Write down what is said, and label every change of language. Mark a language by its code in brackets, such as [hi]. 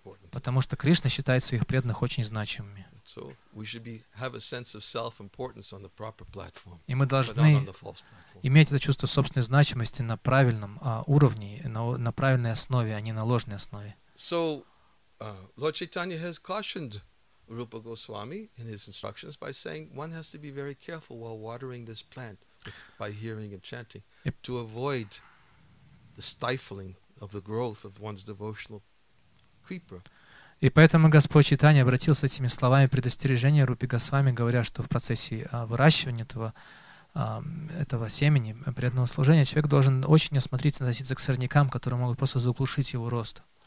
[ru] Потому что Кришна считает своих преданных очень значимыми. [en] So we should be have a sense of self-importance on the proper platform. [ru] И мы должны иметь это чувство собственной значимости на правильном уровне, на правильной основе, а не на ложной основе. [en] So Lord Chaitanya has cautioned Rupa Goswami in his instructions by saying one has to be very careful while watering this plant by hearing and chanting to avoid the stifling of the growth of one's devotional creeper. [ru] И поэтому Господь Чайтанья обратился этими словами предостережения Рупи Госвами, говоря, что в процессе выращивания этого семени, преданного служения, человек должен очень осмотрительно относиться к сорнякам, которые могут просто заглушить его рост.